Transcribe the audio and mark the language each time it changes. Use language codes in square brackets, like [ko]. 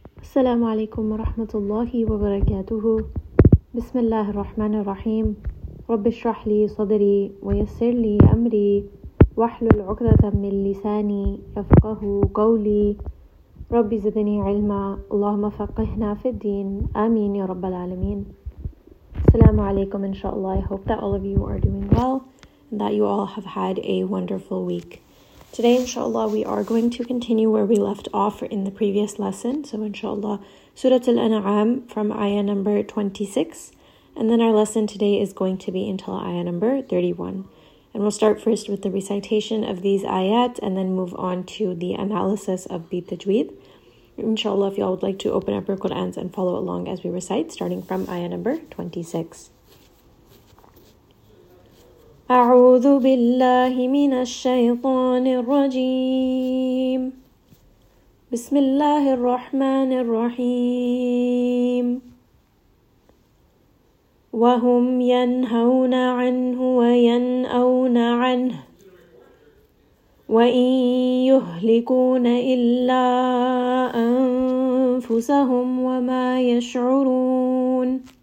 [ar] السلام عليكم ورحمة الله وبركاته. بسم الله الرحمن الرحيم. رب اشرح لي صدري ويسر لي أمري واحلل عقدة من لساني يفقه قولي. رب زدني علما، اللهم فقهنا في الدين، آمين يا رب العالمين. السلام عليكم. [en] إن شاء الله. I hope that all of you are doing well and that you all have had a wonderful week. Today, inshallah, we are going to continue where we left off in the previous lesson. So, inshallah, Surah Al-An'am from ayah number 26. And then our lesson today is going to be until ayah number 31. And we'll start first with the recitation of these ayat and then move on to the analysis of Bi Tajweed. Inshallah, if y'all would like to open up your Qur'ans and follow along as we recite, starting from ayah number 26. [ar] أعوذ بالله من الشيطان الرجيم بسم الله الرحمن الرحيم وهم ينهون عنه وينأون عنه وإن يهلكون إلا أنفسهم وما يشعرون